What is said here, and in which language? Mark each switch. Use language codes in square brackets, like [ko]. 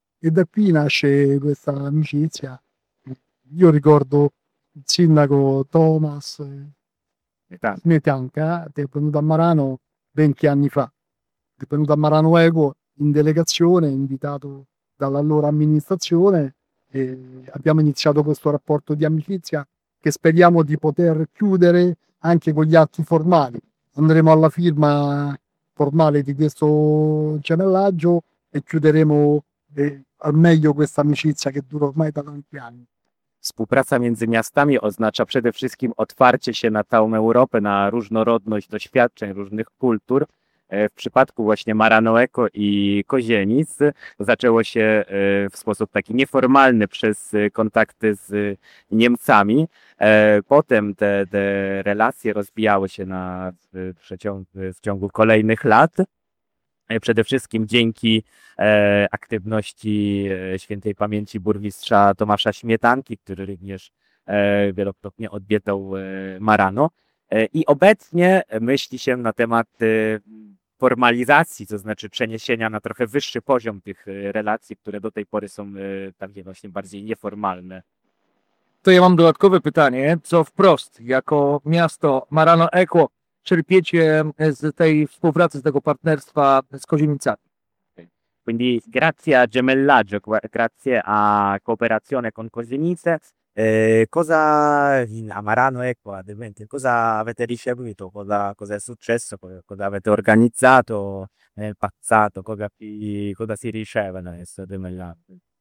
[it] E da qui nasce questa amicizia. Io ricordo il sindaco Thomas Smetanka, che è venuto a Marano 20 anni fa, è venuto a Marano Equo in delegazione, invitato dall'allora amministrazione, e abbiamo iniziato questo rapporto di amicizia che speriamo di poter chiudere anche con gli atti formali. Andremo alla firma formale di questo gemellaggio e chiuderemo al meglio questa amicizia che dura ormai da tanti anni. [pl] Współpraca między miastami oznacza przede wszystkim otwarcie się na całą Europę, na różnorodność doświadczeń różnych kultur. W przypadku właśnie Marano Equo i Kozienic zaczęło się w sposób taki nieformalny przez kontakty z Niemcami. Potem te relacje rozbijały się w ciągu kolejnych lat. Przede wszystkim dzięki aktywności świętej pamięci burmistrza Tomasza Śmietanki, który również wielokrotnie odwiedzał Marano. I obecnie myśli się na temat formalizacji, to znaczy przeniesienia na trochę wyższy poziom tych relacji, które do tej pory są takie właśnie bardziej nieformalne. To ja mam dodatkowe pytanie, co wprost, jako miasto Marano Equo, czerpiecie z tej współpracy, z tego partnerstwa z Kozienicami? [it] Quindi grazie a gemellaggio, grazie a cooperazione con Kozienice. Cosa in Amarano, ecco, ad esempio, cosa avete ricevuto? Cosa è successo? Cosa avete organizzato nel passato? Cosa si riceve adesso a gemellaggio?